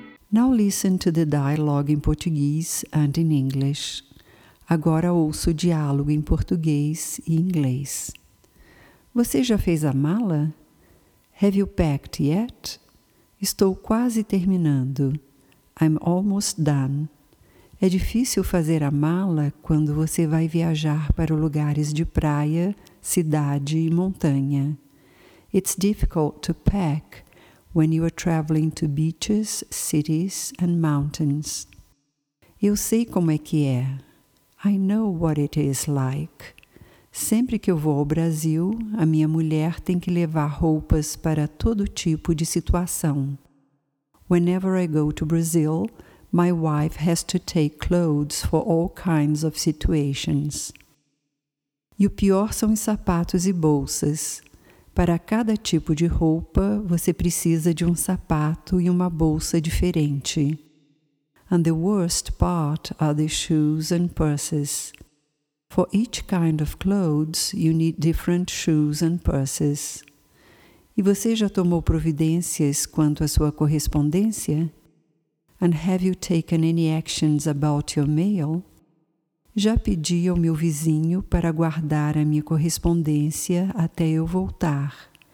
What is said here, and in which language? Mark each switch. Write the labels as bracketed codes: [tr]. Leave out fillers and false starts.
[en] Now listen to the dialogue in Portuguese and in English. [pt] Agora ouço o diálogo em português e inglês. Você já fez a mala? [en] Have you packed yet? [pt] Estou quase terminando. [en] I'm almost done. [pt] É difícil fazer a mala quando você vai viajar para lugares de praia, cidade e montanha. [en] It's difficult to pack when you are traveling to beaches, cities and mountains. [pt] Eu sei como é que é. [en] I know what it is like. [pt] Sempre que eu vou ao Brasil, a minha mulher tem que levar roupas para todo tipo de situação. [en] Whenever I go to Brazil, my wife has to take clothes for all kinds of situations. [pt] E o pior são os sapatos e bolsas. Para cada tipo de roupa, você precisa de um sapato e uma bolsa diferente. [en] And the worst part are the shoes and purses. For each kind of clothes, you need different shoes and purses. [pt] E você já tomou providências quanto à sua correspondência? [en] And have you taken any actions about your mail? [pt] Já pedi ao meu vizinho para guardar a minha correspondência até eu voltar.